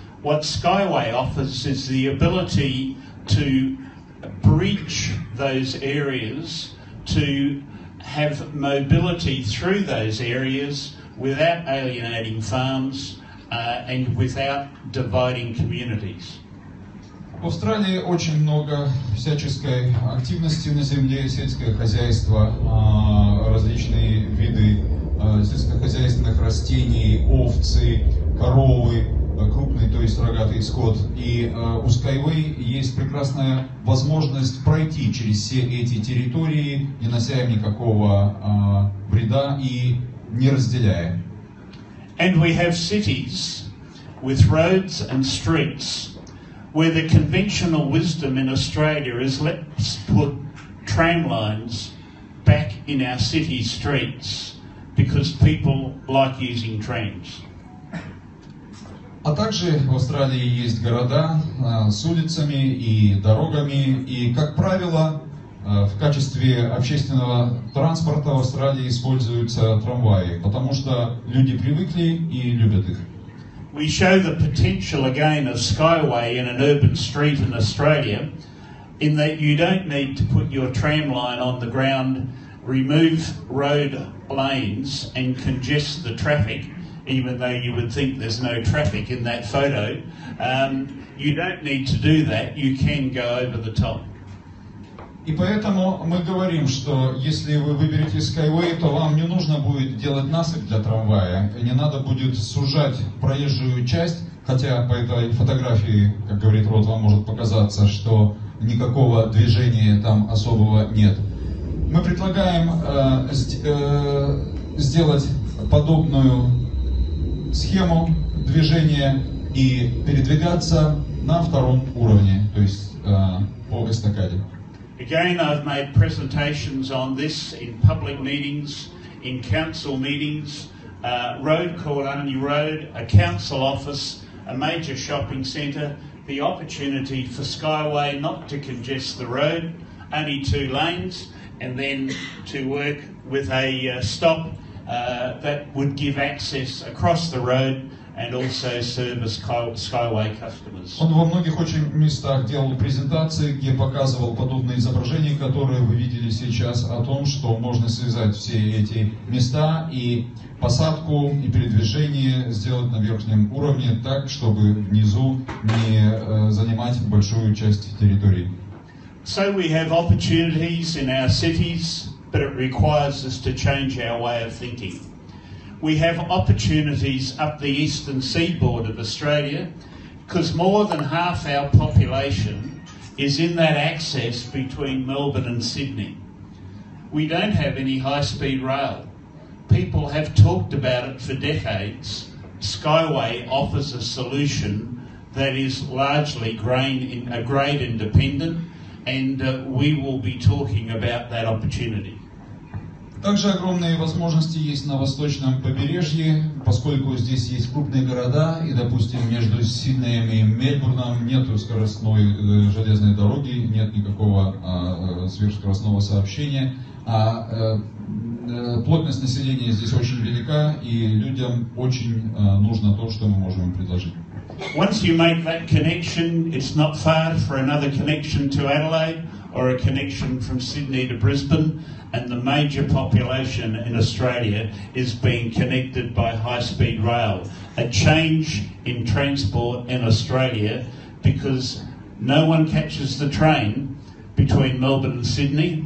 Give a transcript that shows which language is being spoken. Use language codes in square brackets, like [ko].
[en] What SkyWay offers is the ability to breach those areas, to have mobility through those areas without alienating farms and without dividing communities. [ru] В Австралии очень много всяческой активности на земле, сельское хозяйство, различные виды сельскохозяйственных растений, овцы, коровы, крупный, то есть рогатый скот. И у SkyWay есть прекрасная возможность пройти через все эти территории, не нанося им никакого вреда и не разделяя. [en] And we have cities with roads and streets where the conventional wisdom in Australia is let's put tram lines back in our city streets because people like using trams. [ru] А также в Австралии есть города с улицами и дорогами, и, как правило, в качестве общественного транспорта в Австралии используются трамваи, потому что люди привыкли и любят их. [en] We show the potential again of skyway in an urban street in Australia, in that you don't need to put your tram line on the ground, remove road lanes and congest the traffic, even though you would think there's no traffic in that photo. You don't need to do that, you can go over the top. [ru] И поэтому мы говорим, что если вы выберете Skyway, то вам не нужно будет делать насыпь для трамвая, и не надо будет сужать проезжую часть, хотя по этой фотографии, как говорит Рот, вам может показаться, что никакого движения там особого нет. Мы предлагаем сделать подобную схему движения и передвигаться на втором уровне, то есть по эстакаде. [en] Again, I've made presentations on this in public meetings, in council meetings, road called Arnie Road, a council office, a major shopping centre, the opportunity for Skyway not to congest the road, only two lanes, and then to work with a stop that would give access across the road and also serve as Skyway customers. [ru] Он во многих очень местах делал презентации, где показывал подобные изображения, которые вы видели сейчас, о том, что можно связать все эти места и посадку, и передвижение сделать на верхнем уровне так, чтобы внизу не занимать большую часть территории. [en] So we have opportunities in our cities, but it requires us to change our way of thinking. We have opportunities up the eastern seaboard of Australia because more than half our population is in that access between Melbourne and Sydney. We don't have any high-speed rail. People have talked about it for decades. Skyway offers a solution that is largely grade independent, and we will be talking about that opportunity. [ru] Также огромные возможности есть на восточном побережье, поскольку здесь есть крупные города, и, допустим, между Сиднеем и Мельбурном нет скоростной железной дороги, нет никакого сверхскоростного сообщения, а плотность населения здесь очень велика, и людям очень нужно то, что мы можем им предложить. [en] Once you make that connection, it's not far for another connection to Adelaide or a connection from Sydney to Brisbane. And the major population in Australia is being connected by high-speed rail. A change in transport in Australia because no one catches the train between Melbourne and Sydney.